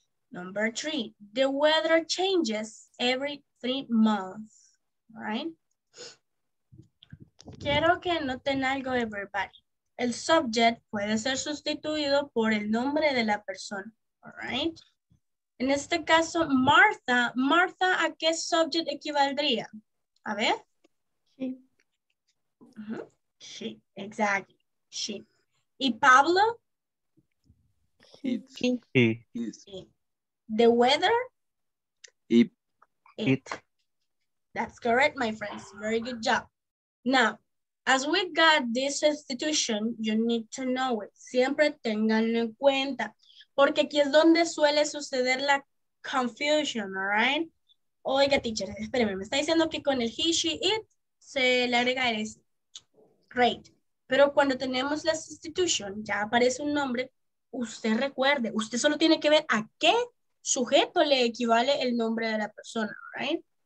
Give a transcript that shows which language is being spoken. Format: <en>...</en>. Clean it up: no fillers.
<en>Number three, the weather changes every 3 months, right?</en> <es>Quiero que noten algo,</es> <en>everybody.</en> <es>El subject puede ser sustituido por el nombre de la persona,</es> <en>all right?</en> <es>En este caso, Martha, ¿a qué subject equivaldría? A ver. Sí.</es> <en>She, exactly. She. ¿Y Pablo? He. The weather? It. That's correct, my friends. Very good job. Now, as we got this substitution, you need to know it.</en> <es>Siempre ténganlo en cuenta. Porque aquí es donde suele suceder la confusion,</es> <en>all right?</en> <es>Oiga, teacher, espéreme. Me está diciendo que con el he, she, it, se le agrega el S.</es> <en>Great.</en> <es>Pero cuando tenemos la sustitución, ya aparece un nombre, usted recuerde, usted solo tiene que ver a qué sujeto le equivale el nombre de la persona,</es> <en>right?</en>